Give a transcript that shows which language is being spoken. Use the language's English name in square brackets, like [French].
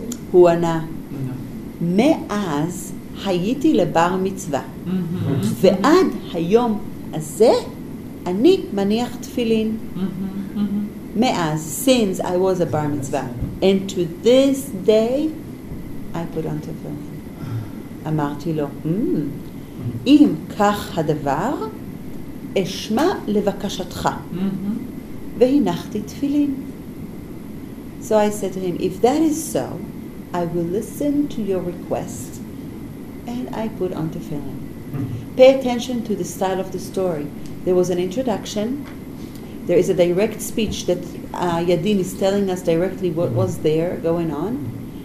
[Hebrew] הוא ענה, מאז הייתי לבר מצווה, ועד היום הזה אני מניח תפילין. מאז, [English] since I was a bar mitzvah, and to this day, I put on tefillin. [Hebrew] אמרתי לו, אם כך הדבר, אשמע לבקשתך. והנחתי תפילין. [English] So I said to him, if that is so, I will listen to your request, and I put on tefillin. Pay attention to the style of the story. There was an introduction. There is a direct speech that Yadin is telling us directly what was there going on.